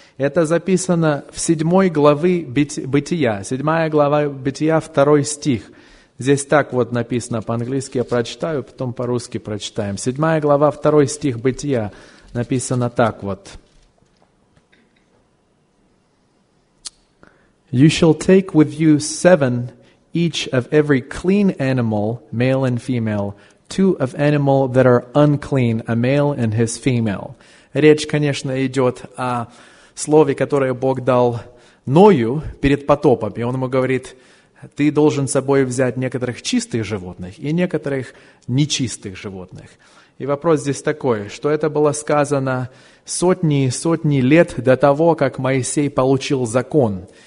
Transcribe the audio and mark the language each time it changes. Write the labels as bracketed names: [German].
[Russian] Это записано в 7 главе Бытия, 7 глава Бытия, 2 стих. Здесь так вот написано по-английски, я прочитаю, потом по-русски прочитаем. 7 глава, 2 стих Бытия написано так вот. [English] You shall take with you 7 each of every clean animal, male and female, 2 of animal that are unclean, a male and his female. [Russian] Речь, конечно, идет о слове, которое Бог дал Ною перед потопом. И Он ему говорит, ты должен с собой взять некоторых чистых животных и некоторых нечистых животных. И вопрос здесь такой, что это было сказано сотни и сотни лет до того, как Моисей получил закон.